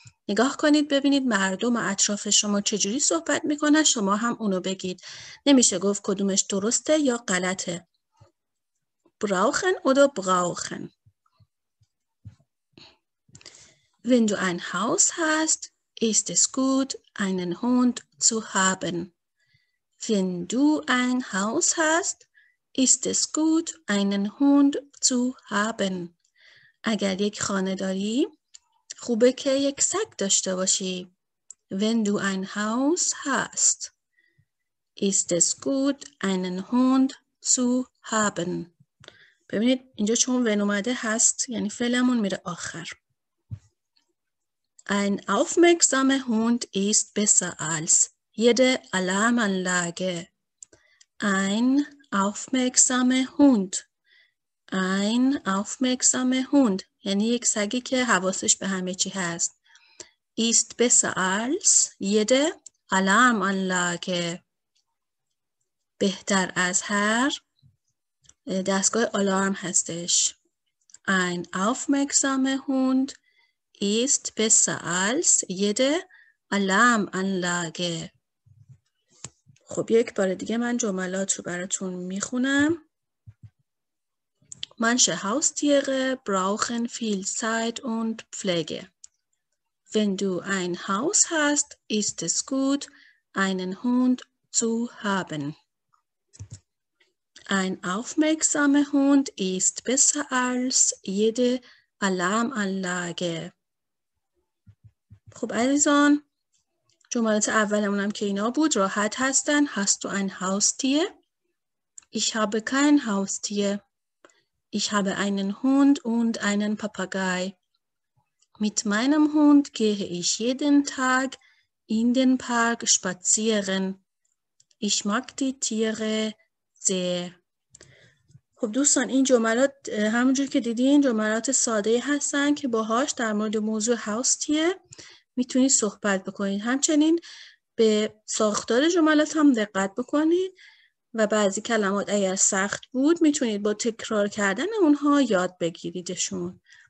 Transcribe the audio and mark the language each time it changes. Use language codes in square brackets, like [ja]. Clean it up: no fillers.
[fa] نگاه کنید ببینید مردم و اطراف شما چجوری صحبت میکنن شما هم اونو بگید. نمیشه گفت کدومش درسته یا غلطه. [de] Brauchen oder brauchen. Wenn du ein Haus hast, ist es gut, einen Hund zu haben. Wenn du ein Haus hast, ist es gut, einen Hund zu haben. [fa] اگر یک خانه داری، خوبه که یک سگ داشته باشی. [de] Wenn du ein Haus hast, ist es gut, einen Hund zu haben. [fa] ببینید اینجا چون wenn اومده هست یعنی فعلمون میره آخر. [de] Ein aufmerksamer Hund ist besser als jede Alarmanlage. Ein aufmerksamer Hund. Ein aufmerksamer Hund. [fa] یعنی یک سگی که حواسش به همه چی هست. [de] Ist besser als jede Alarmanlage. [fa] بهتر از هر دستگاه آلارم هستش. [de] Ein aufmerksamer Hund ist besser als jede Alarmanlage. [fa] خب یک بار دیگه من جملات رو براتون میخونم. [de] Manche Haustiere brauchen viel Zeit und Pflege. Wenn du ein Haus hast, ist es gut, einen Hund zu haben. Ein aufmerksamer Hund ist besser als jede Alarmanlage. [fa] خب عزیزان، جملات اولمونم که اینا بود راحت هستن. [de] Hast du ein Haustier? Ich habe kein Haustier. Ich habe einen Hund und einen Papagei. Mit meinem Hund gehe ich jeden Tag in den Park spazieren. Ich mag die Tiere sehr. [fa] خب دوستان این جملات همونجور که دیدین جملات ساده هستن که باهاش در مورد موضوع هاوستیه میتونید صحبت بکنید. همچنین به ساختار جملات هم دقت بکنید و بعضی کلمات اگر سخت بود میتونید با تکرار کردن اونها یاد بگیریدشون.